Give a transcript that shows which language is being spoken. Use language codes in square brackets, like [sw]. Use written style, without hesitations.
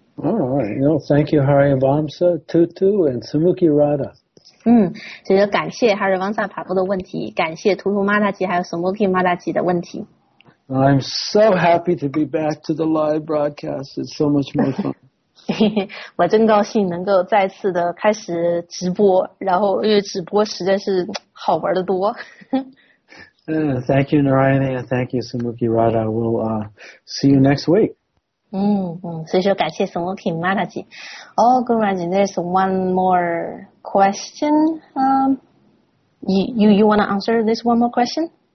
[en] All right. Well, thank you, Harivamsa, Tutu, and Samuki Radha. [zh] 这就感谢 Harivamsa 爬布的问题，感谢 Tutu Mataji 还有 Samuki Mataji 的问题。 [en] I'm so happy to be back to the live broadcast. It's so much more fun. [zh] 我真高兴能够再次的开始直播，然后因为直播实在是好玩的多。 [en] Thank you, Narayani, and thank you, Samuki Radha. We'll see you next week. [zh] 所以说感谢松木品 Mataji。 [en] Oh, Guruji, there's one more question. You want to answer this one more question?